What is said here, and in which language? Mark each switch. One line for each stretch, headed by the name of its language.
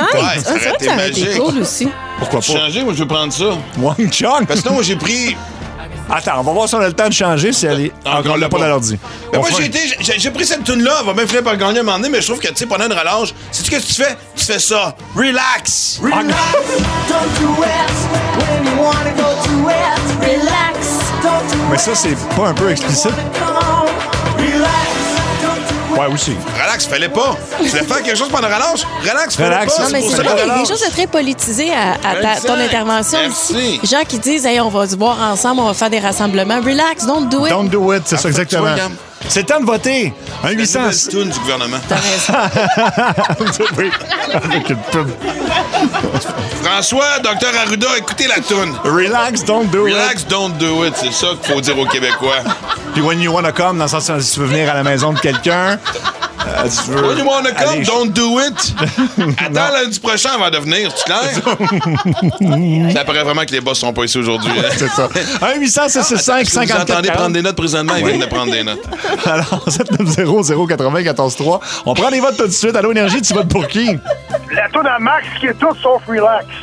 French: Ouais, ça aurait été magique. Ça aurait été cool aussi. Pourquoi pas? Changer, moi, je vais prendre ça. Wang Chung? Parce que non, moi, j'ai pris... Attends, on va voir si on a le temps de changer, si elle est... Encore, on l'a pas dans l'ordi. Ben moi, j'ai pris cette toune-là, on va même finir par gagner un moment donné, mais je trouve que, tu sais, pendant une relâche, sais-tu qu'est-ce que tu fais? Tu fais ça. Relax!
English: Relax, don't do it, when you wanna go to it. Relax, don't do it.
French: Mais ça, c'est pas un peu explicite. Ouais, aussi. Relax, fallait pas. Tu voulais faire quelque chose pendant la relâche? Relax, relax. Pas. Non, mais c'est vrai, quelque chose de très politisé à ton intervention. Merci. Gens qui disent, hey, on va se voir ensemble, on va faire des rassemblements.
English: Relax, don't do it. Don't do it,
French: c'est ça, exactement. C'est temps de voter. Un 800. C'est la du gouvernement. T'as raison. Oui. Avec une François, Dr. Arruda, écoutez la toune.
English: Relax, don't do it. Relax, don't do it.
French: C'est ça qu'il faut dire aux Québécois. Puis
English: when you wanna come,
French: dans le sens si tu veux venir à la maison de quelqu'un.
English: When you wanna come, allez, don't do it.
French: Attends lundi prochain avant de venir, tu clair? Ça paraît vraiment que les boss sont pas ici aujourd'hui. Ouais, c'est ça. 1-800-665-5440. Vous entendez prendre des notes présentement, ils viennent de prendre des notes. Alors, 790-094-3. On prend les votes tout de suite. Allô Énergie, tu votes pour qui? La toune à Max qui est tout sauf relax.